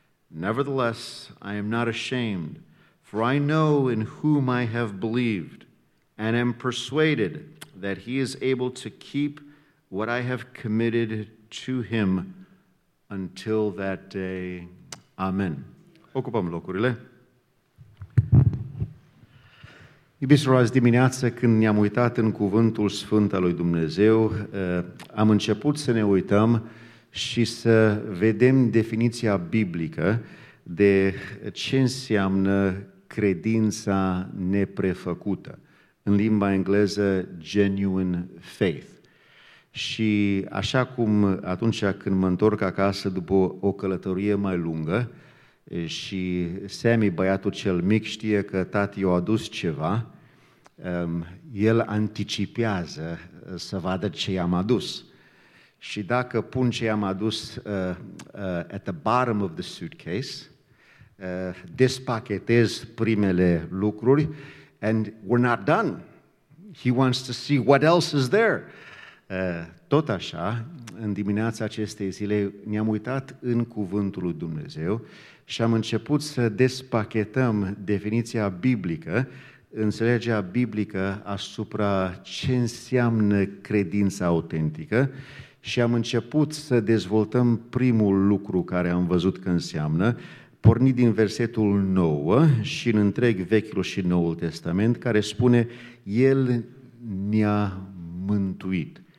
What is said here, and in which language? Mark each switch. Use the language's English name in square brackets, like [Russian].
[English] Nevertheless, I am not ashamed, for I know in whom I have believed, and am persuaded that he is able to keep what I have committed to him until that day. [Romanian] Amen. Ocupăm locurile. Iubiți frați, dimineața când ne-am uitat în Cuvântul Sfânt al lui Dumnezeu, am început să ne uităm și să vedem definiția biblică de ce înseamnă credința neprefăcută. În limba engleză, [English] genuine faith. [Romanian] Și așa cum atunci când mă întorc acasă după o călătorie mai lungă și Sammy, băiatul cel mic, știe că tati i-a adus ceva, el anticipează să vadă ce i-am adus. Și dacă pun ce i-am adus [English] at the bottom of the suitcase, [Romanian] despachetez primele lucruri [English] and we're not done. He wants to see what else is there. [Romanian] Tot așa, în dimineața acestei zile, ne-am uitat în Cuvântul lui Dumnezeu și am început să despachetăm definiția biblică, înțelegerea biblică asupra ce înseamnă credința autentică și am început să dezvoltăm primul lucru care am văzut că înseamnă, pornit din versetul 9 și în întreg Vechiul și Noul Testament, care spune, El ne-a mântuit.